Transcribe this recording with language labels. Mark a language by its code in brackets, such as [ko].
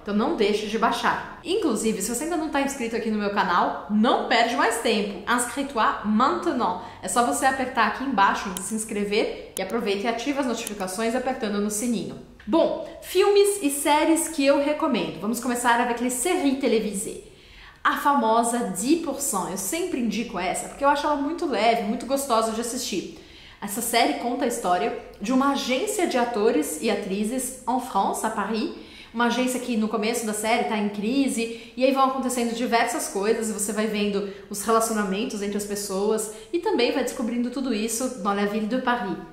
[pt] Então não deixe de baixar. Inclusive, se você ainda não está inscrito aqui no meu canal, não perde mais tempo. [fr] Inscrito-toi maintenant. [pt] É só você apertar aqui embaixo em se inscrever e aproveita e ativa as notificações apertando no sininho. Bom, filmes e séries que eu recomendo. Vamos começar [fr] avec les séries télévisées. [pt] A famosa 10%, eu sempre indico essa, porque eu acho ela muito leve, muito gostosa de assistir. Essa série conta a história de uma agência de atores e atrizes [fr] en France, [pt] a Paris, uma agência que no começo da série está em crise, e aí vão acontecendo diversas coisas, e você vai vendo os relacionamentos entre as pessoas, e também vai descobrindo tudo isso [fr] dans la ville de Paris.